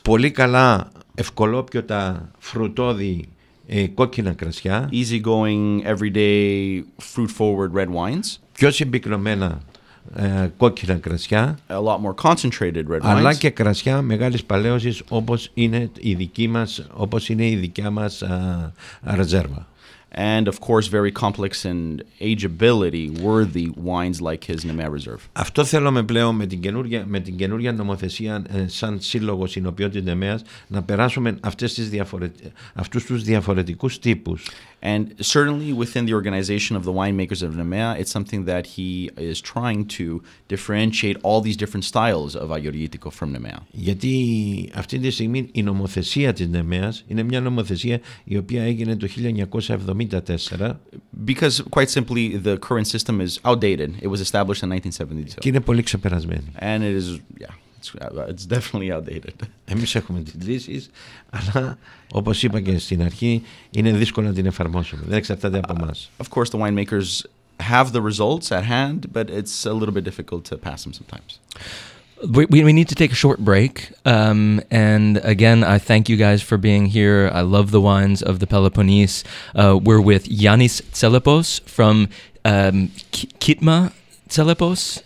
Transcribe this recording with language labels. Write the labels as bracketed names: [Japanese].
[Greek] Πολύ καλά ευκολόπιωτα φρουτώδη κόκκινα κρασιά. [English] Easygoing, everyday, fruit-forward red wines. [Greek] Πιο συμπυκνωμένα. Κόκκινα κρασιά, [English] a lot more concentrated red wines. [Greek] Αλλά και κρασιά μεγάλης παλαιώσης όπως είναι η δικιά μας ρεζέρβα. [English] And of course very complex and ageability worthy wines like his Nemea Reserve. [Greek] Αυτό θέλουμε πλέον με την καινούργια νομοθεσία σαν σύλλογο συνοπιότητας Νεμέας να περάσουμε αυτούς τους διαφορετικούς τύπους. [English] And certainly within the organization of the winemakers of Nemea, it's something that he is trying to differentiate all these different styles of Ayurvedico from Nemea. [Greek] Γιατί αυτή τη στιγμή η νομοθεσία της Νεμέας είναι μια νομοθεσία η οποία έγινε το 1974. [English] Because quite simply, the current system is outdated. It was established in 1972. [Greek] Και είναι πολύ ξεπερασμένη. [English] And it is, yeah. It's definitely outdated. [Greek] Εμείς έχουμε τις λύσεις, αλλά όπως είπα και στην αρχή, είναι δύσκολο να την εφαρμόσουμε. Δεν εξαρτάται από εμάς. [English] Of course, the winemakers have the results at hand, but it's a little bit difficult to pass them sometimes. We need to take a short break. And again, I thank you guys for being here. I love the wines of the Peloponnese. We're with Yanis Tselepos from Kitma Tselepos.